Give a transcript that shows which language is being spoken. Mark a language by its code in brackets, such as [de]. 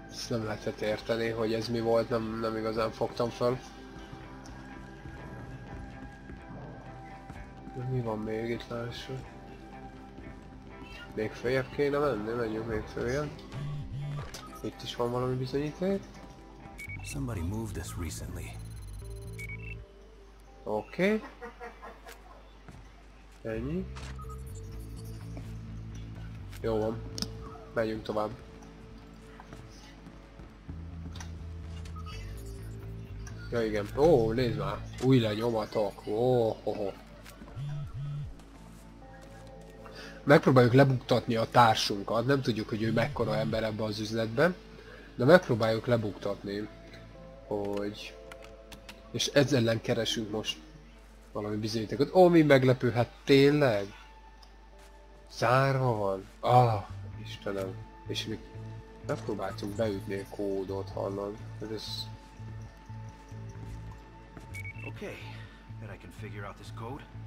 [hu] nem lehetett érteni, hogy ez mi volt, nem igazán fogtam föl. De mi van még itt, lássuk? Még följebb kéne menni, menjünk még följebb. Itt is van valami bizonyíték. [en] Somebody moved us recently. Okay. [hu] Ennyi. Jó van. Megyünk tovább. Ja igen. Ó, nézd már. Új lenyomatok. Ó-ho-ho. Megpróbáljuk lebuktatni a társunkat. Nem tudjuk, hogy ő mekkora ember ebben az üzletben. De megpróbáljuk lebuktatni. Hogy... És ez ellen keresünk most valami bizonyítékot. Ó, mi meglepő, hát tényleg? Zárva van? Ah, Istenem. És mi megpróbáltunk beütni a kódot, hallod? Hát ez... [en] Okay, then I can figure out this code.